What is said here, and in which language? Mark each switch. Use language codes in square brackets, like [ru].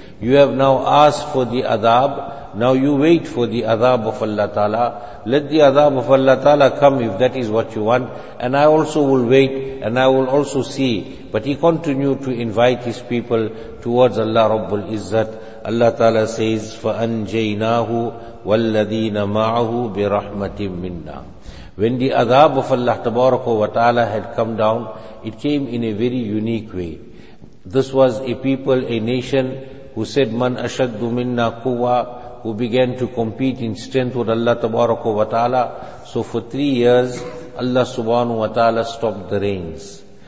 [en] You have now asked for the adab. Now you wait for the adab of Allah Ta'ala. Let the adab of Allah Ta'ala come if that is what you want. And I also will wait and I will also see. But he continued to invite his people towards Allah Rabbul Izzat. Allah Ta'ala says, [ar] فَأَنْجَيْنَاهُ وَالَّذِينَ مَعَهُ بِرَحْمَةٍ مِنَّا. [en] When the adab of Allah Tabaraka wa Ta'ala had come down, it came in a very unique way. This was a people, a nation, who said, [ar] مَنْ أَشَدُّ مِنَّا قُوَى, [en] who began to compete in strength with Allah Tabaraka wa Ta'ala. So for 3 years, Allah Subhanahu wa Ta'ala stopped the rains.